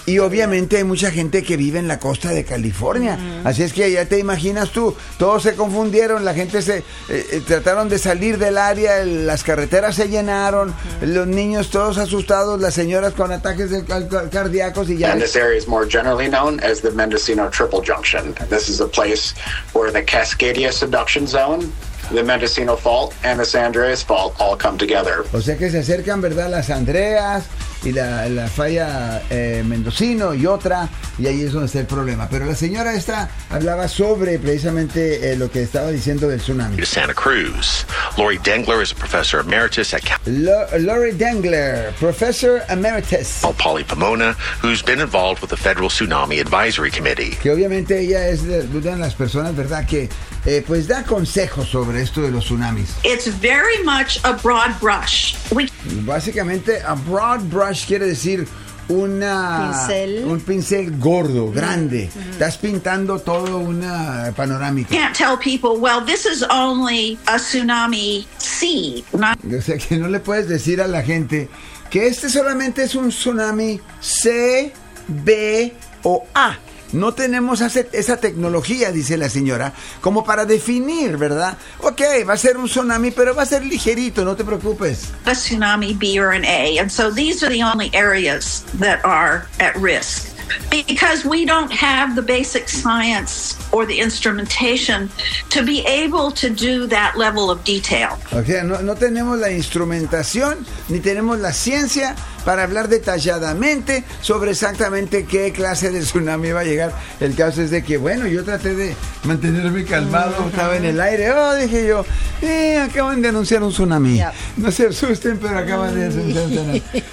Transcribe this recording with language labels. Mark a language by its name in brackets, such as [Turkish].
[Spanish] Y obviamente hay mucha gente que vive en la costa de California, así es que ya te imaginas tú, todos se confundieron, la gente se trataron de salir del área, las carreteras se llenaron, los niños todos asustados, las señoras con ataques cardíacos y ya. [English] And this area is more generally known as the Mendocino Triple Junction. This is a place where the Cascadia Subduction Zone, the Mendocino Fault, and the San Andreas Fault all come together. [Spanish] O sea que se acercan, ¿verdad?, las Andreas y la falla Mendocino y otra, y ahí es donde está el problema. Pero la señora esta hablaba sobre precisamente lo que estaba diciendo del tsunami. Santa Cruz. [English] Lori Dengler is a professor emeritus at Polly Pomona, who's been involved with the Federal Tsunami Advisory Committee. [Spanish] Que obviamente ella es una de las personas, ¿verdad?, que pues da consejos sobre esto de los tsunamis. [English] It's very much a broad brush. [Spanish] Básicamente, [English] a broad brush [Spanish] quiere decir un pincel gordo, grande. Estás pintando todo una panorámica. [English] Can't tell people, well, this is only a tsunami sea. [Spanish] O sea, que no le puedes decir a la gente que este solamente es un tsunami C, B o A. No tenemos esa tecnología, dice la señora, como para definir, ¿verdad? Ok, va a ser un tsunami, pero va a ser ligerito, no te preocupes. [English] A tsunami B or an A, and so these are the only areas that are at risk. Because we don't have the basic science or the instrumentation to be able to do that level of detail. [Spanish] O sea, no tenemos la instrumentación ni tenemos la ciencia para hablar detalladamente sobre exactamente qué clase de tsunami va a llegar. El caso es de que, bueno, yo traté de mantenerme calmado, estaba en el aire. Oh, dije yo, acaban de anunciar un tsunami. No se asusten, pero acaban de anunciar un tsunami.